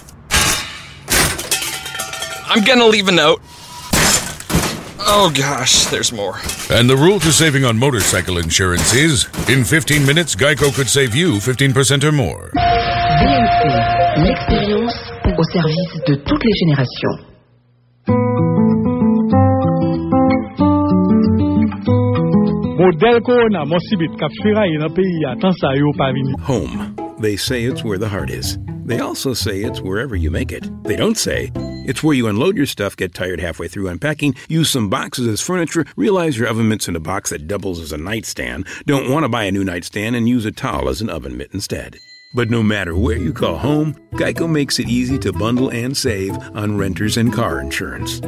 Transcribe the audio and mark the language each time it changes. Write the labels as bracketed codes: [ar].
[en] I'm gonna leave a note. Oh gosh, there's more. And the rule to saving on motorcycle insurance is, in 15 minutes, GEICO could save you 15% or more. [fr] BNC, l'expérience au service de toutes les générations. Modèle Corona, mon cibit, capchira y'en a pays, attends ça y'o pas vini. [en] Home. They say it's where the heart is. They also say it's wherever you make it. They don't say. It's where you unload your stuff, get tired halfway through unpacking, use some boxes as furniture, realize your oven mitt's in a box that doubles as a nightstand, don't want to buy a new nightstand, and use a towel as an oven mitt instead. But no matter where you call home, GEICO makes it easy to bundle and save on renters and car insurance.